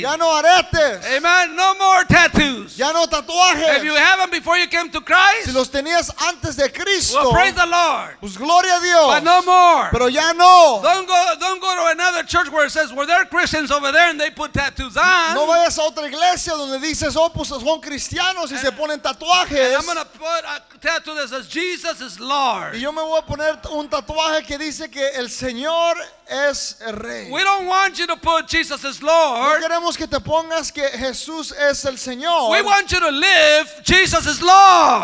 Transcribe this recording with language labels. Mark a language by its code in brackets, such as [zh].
[es] Ya no aretes. [en] Amen, no more tattoos. [es] Ya no tatuajes. [en] If you have them before you came to Christ, [es] si los tenías antes de Cristo, [en] well, praise the Lord. [es] Pues gloria a Dios. [en] But no more. [es] Pero ya no. [en] Don't go to another church where it says, well, there are Christians over there and they put tattoos on. [es] No vayas a otra iglesia donde dices, oh, pues son cristianos y se ponen tatuajes. [en] And I'm going to put a tattoo that says Jesus is Lord. [es] Y yo me voy a poner un tatuaje que dice que el Señor es el Rey. [en] We don't want you to put Jesus is Lord. [es] No queremos que te pongas que Jesús es el Señor. [en] We want you to live Jesus is Lord.